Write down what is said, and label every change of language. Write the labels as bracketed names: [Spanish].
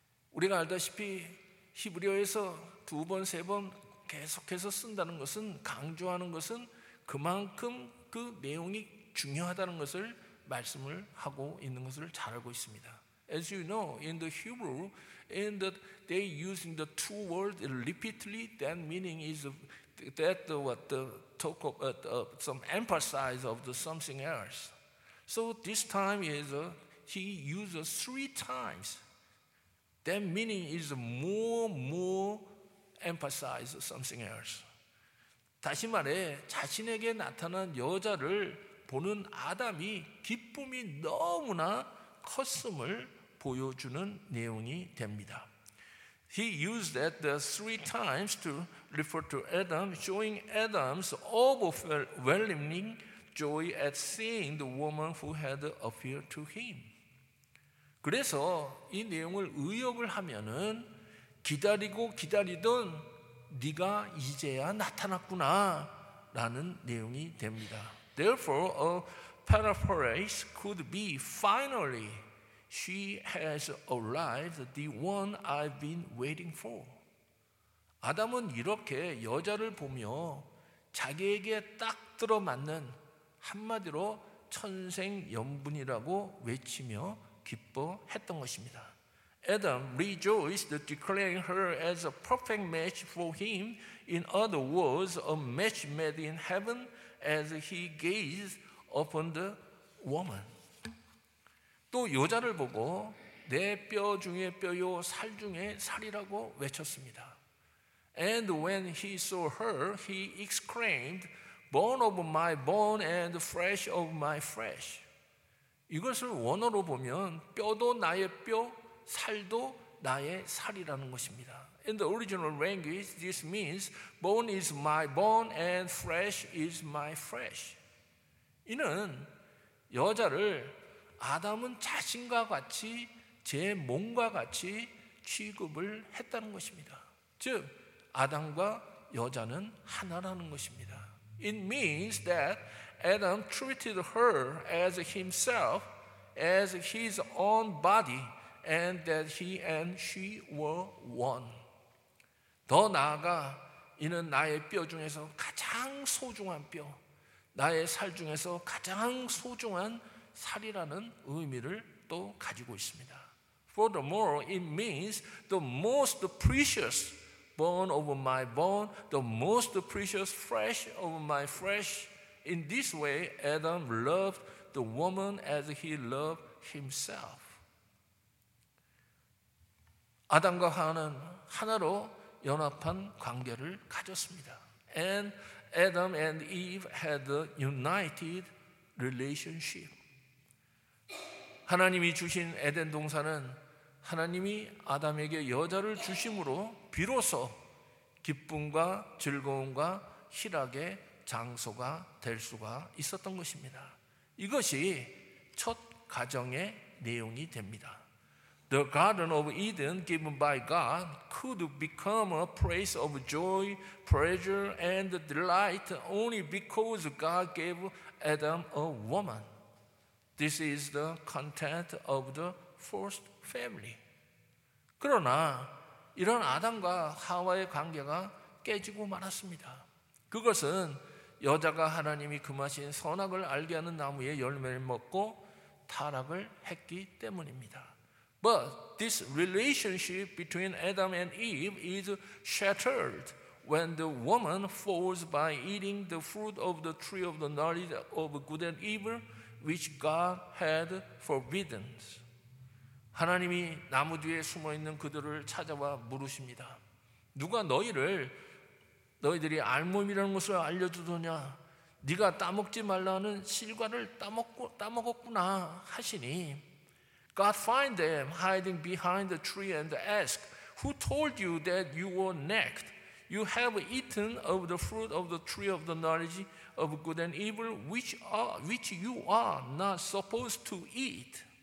[Korean] 우리가 알다시피 히브리어에서 두 번, 세 번 계속해서 쓴다는 것은 강조하는 것은 그만큼 그 내용이 중요하다는 것을 말씀을 하고 있는 것을 잘 알고 있습니다. [English] As you know, in the Hebrew, they using the two words repeatedly, that meaning is that what the talk of some emphasize of the something else. So this time is he uses three times. That meaning is more emphasize something else. [Korean] 다시 말해 자신에게 나타난 여자를 보는 아담이 기쁨이 너무나 컸음을 보여주는 내용이 됩니다. [English] He used that the three times to refer to Adam, showing Adam's overwhelming joy at seeing the woman who had appeared to him. [Korean] 그래서 이 내용을 의역을 하면은 기다리고 기다리던 네가 이제야 나타났구나 라는 내용이 됩니다. [English] Therefore, a paraphrase could be finally she has arrived, the one I've been waiting for. [Korean] 아담은 이렇게 여자를 보며 자기에게 딱 들어맞는 한마디로 천생연분이라고 외치며 기뻐했던 것입니다. [English] Adam rejoiced, declaring her as a perfect match for him. In other words, a match made in heaven as he gazed upon the woman. [Korean] 또 여자를 보고 내 뼈 중에 뼈요 살 중에 살이라고 외쳤습니다. [English] And when he saw her, he exclaimed, "Bone of my bone and flesh of my flesh." [Korean] 이것을 원어로 보면 뼈도 나의 뼈, 살도 나의 살이라는 것입니다. [English] In the original language, this means bone is my bone and flesh is my flesh. [Korean] 이는 여자를 아담은 자신과 같이 제 몸과 같이 취급을 했다는 것입니다. 즉, 아담과 여자는 하나라는 것입니다. [English] It means that Adam treated her as himself, as his own body, and that he and she were one. [Korean] 더 나아가 이는 나의 뼈 중에서 가장 소중한 뼈, 나의 살 중에서 가장 소중한 살이라는 의미를 또 가지고 있습니다. [English] Furthermore, it means the most precious bone of my bone, the most precious flesh of my flesh. In this way, Adam loved the woman as he loved himself. [Korean] 아담과 하와는 하나로 연합한 관계를 가졌습니다. [English] And Adam and Eve had a united relationship. [Korean] 하나님이 주신 에덴 동산은 하나님이 아담에게 여자를 주심으로 비로소 기쁨과 즐거움과 희락의 장소가 될 수가 있었던 것입니다. 이것이 첫 가정의 내용이 됩니다. [English] The Garden of Eden given by God could become a place of joy, pleasure, and delight only because God gave Adam a woman. This is the content of the first family. [Korean] 그러나 이런 아담과 하와의 관계가 깨지고 말았습니다. 그것은 여자가 하나님이 금하신 선악을 알게 하는 나무의 열매를 먹고 타락을 했기 때문입니다. [English] But this relationship between Adam and Eve is shattered when the woman falls by eating the fruit of the tree of the knowledge of good and evil, which God had forbidden. [Korean] 하나님이 나무 뒤에 숨어 있는 그들을 찾아와 물으십니다. 누가 너희들이 알몸이라는 것을 알려주더냐? 네가 따먹지 말라는 실과를 따먹었구나 하시니. [English] God find them hiding behind the tree and ask, "Who told you that you were naked? You have eaten of the fruit of the tree of the knowledge of good and evil, which you are not supposed to eat."